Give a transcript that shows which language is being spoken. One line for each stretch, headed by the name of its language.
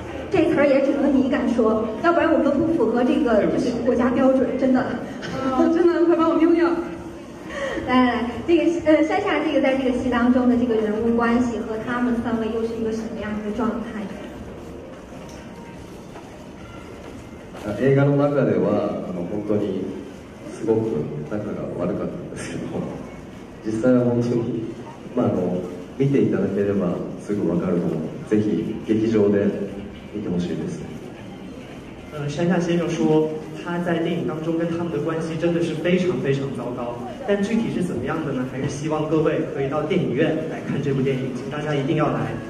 Chinese: 这词儿也只能你敢说，要不然我们都不符合这个就是国家标准，真的。真的，快把我丢掉。来，山下这个在这个戏当中的这个人物关系和他们三位又是一个什么样的状态？
Japanese: 映画の中では本当にすごく仲が悪かったんですけど、実際は本当に見ていただければすぐ分かると思う。ぜひ劇場で見てほしいです。
Chinese: 山下先生说，他在电影当中跟他们的关系真的是非常非常糟糕。但具体是怎么样的呢？还是希望各位可以到电影院来看这部电影，请大家一定要来。